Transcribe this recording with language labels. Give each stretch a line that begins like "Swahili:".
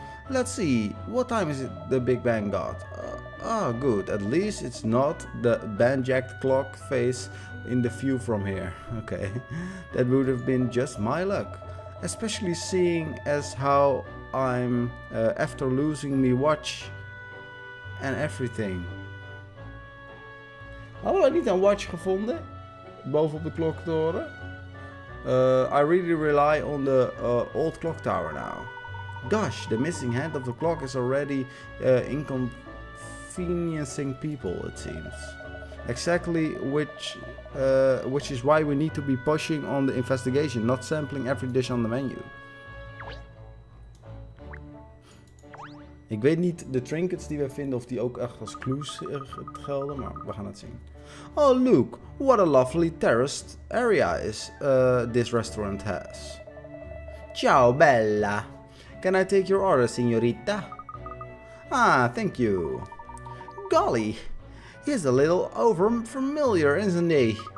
English: Let's see, what time is it the Big Bang got? Oh, good, at least it's not the band-jacked clock face in the view from here, okay. That would have been just my luck. Especially seeing as how I'm, after losing me watch and everything.
Dutch: Hadden we niet een watch gevonden? Bovenop de kloktoren.
English: I really rely on the old clock tower now. Gosh, the missing hand of the clock is already inconveniencing people, it seems. Exactly, which is why we need to be pushing on the investigation, not sampling every dish on the menu.
Dutch: Ik weet niet de trinkets die we vinden of die ook echt als clues gelden, maar we gaan het zien.
English: Oh, look, what a lovely terraced area is this restaurant has.
Italian: Ciao, bella.
English: Can I take your order, signorita? Ah, thank you. Golly, he's a little over-familiar, isn't he?